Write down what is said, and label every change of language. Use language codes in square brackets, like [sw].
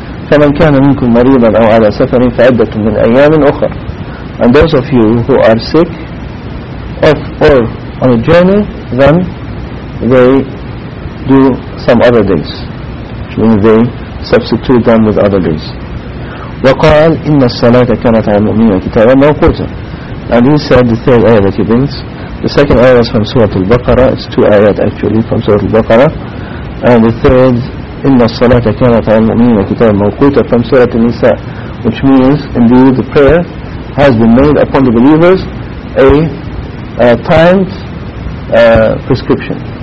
[ar] فمن كان منكم مريضا أو على سفر فعدة من أيام أخر. [en] And those of you who are sick off or on a journey, then they do some other days, which means they substitute them with other days. [ar] وقال إن الصلاة كانت على المؤمنين كتابا موقوتا. [en] And he said the third ayah that he brings. The second ayah is from Surah Al-Baqarah. It's two ayahs actually from Surah Al-Baqarah. And the third, [ar] إن الصلاة كانت على المؤمنين كتابا موقوتا, [en] from Surah Al-Nisa, which means indeed the prayer has been made upon the believers a timed prescription.